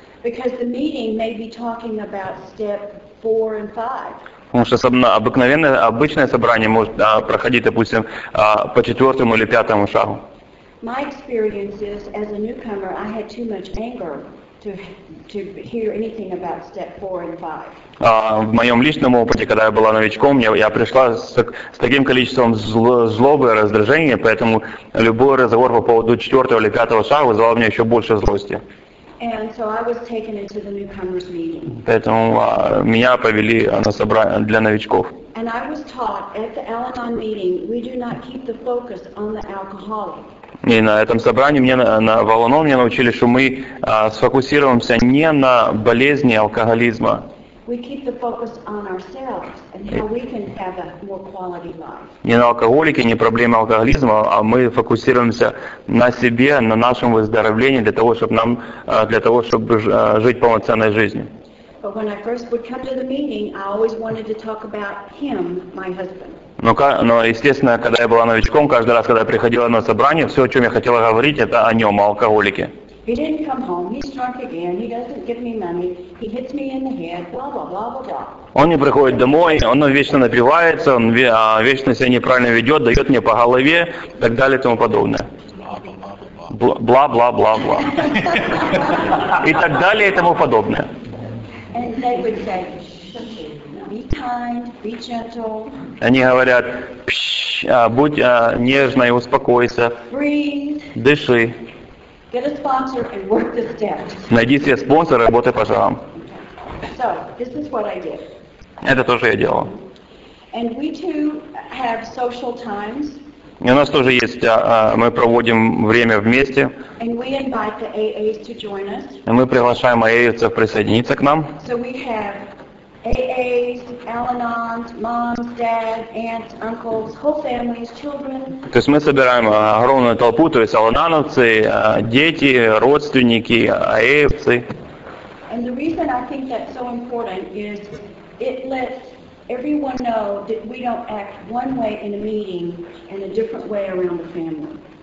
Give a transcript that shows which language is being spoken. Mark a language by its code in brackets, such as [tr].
[en] Because the meeting may be talking about step 4 and 5. [ru] Потому что обычное собрание может проходить, допустим, по четвертому или пятому шагу. [en] My experience is, as a newcomer, I had too much anger to hear anything about step 4 and 5. [ru] В моем личном опыте, когда я была новичком, я пришла с таким количеством злобы и раздражения, поэтому любой разговор по поводу четвертого или пятого шага вызывал у меня еще больше злости. [en] And so I was taken into the newcomers meeting. [ru] Поэтому меня повели на собрание для новичков. [en] And I was taught at the Al-Anon meeting, we do not keep the focus on the alcoholic. [ru] И на этом собрании мне на Валанон меня научили, что мы сфокусируемся не на болезни алкоголизма. [en] We keep the focus on ourselves and how we can have a more quality life. [ru] Не на алкоголике, не проблема алкоголизма, а мы фокусируемся на себе, на нашем выздоровлении для того, чтобы жить полноценной жизнью. [en] But when I first would come to the meeting, I always wanted to talk about him, my husband. [ru] Но, естественно, когда я была новичком, каждый раз, когда я приходила на собрание, все, о чем я хотела говорить, это о нем, о алкоголике. [en] He didn't come home. He's drunk again. He doesn't give me money. He hits me in the head. Blah blah blah blah blah. [ru] Он не приходит домой. Он вечно напивается. Он вечно себя неправильно ведет. Дает мне по голове. И так далее и тому подобное. Бла бла бла бла. И так далее и тому подобное. [en] And they would say, be kind, be gentle. [ru] Они говорят, будь нежной, успокойся. [en] Breathe. [ru] Дыши. [en] Get a sponsor and work the steps. [ru] Найди себе спонсора и работай по шагам. [en] So, this is what I did. [ru] Это то, что я делал. [en] And we too have social times. [ru] И у нас тоже есть, мы проводим время вместе. [en] And we invite the AAs to join us. [ru] И мы приглашаем AAцев присоединиться к нам. [en] So we have AAs, Al-Anons, moms, dads, aunts, uncles, whole families, children. [ru] То есть мы собираем огромную толпу, то есть Al-Anонцы, дети, родственники, AAцы. [en] And the reason I think that's so important is it lets everyone know that we don't act one way in a meeting and a different way around the family.